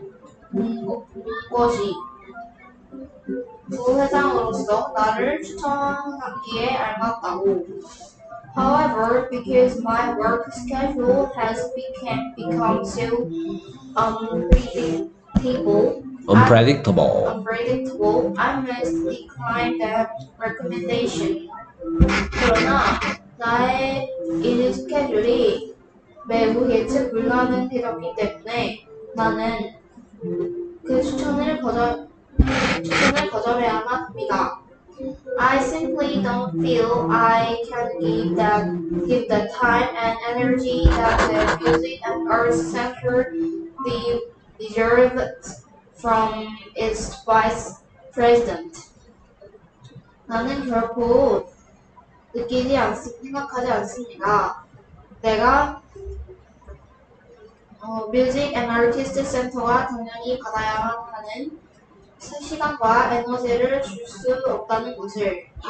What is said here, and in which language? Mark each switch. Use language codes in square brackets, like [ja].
[ko] 이사회가 보인 것이 부회장으로서 나를 추천하기에 알맞다고. [en] However, because my work schedule has become so unpredictable, I must decline the recommendation. [ko] 그러나 나의 일 스케줄이 매우 예측 불가능했기 때문에 나는 그 추천을 거절해야만 합니다. [en] I simply don't feel I can give the time and energy that the Music and Arts Center deserves from its vice president. [ko] 나는 결코 느끼지 않습니다. 생각하지 않습니다. 내가 Music and Arts Center가 당연히 받아야 하는 시간과 에너지를 줄 수 없다는 것을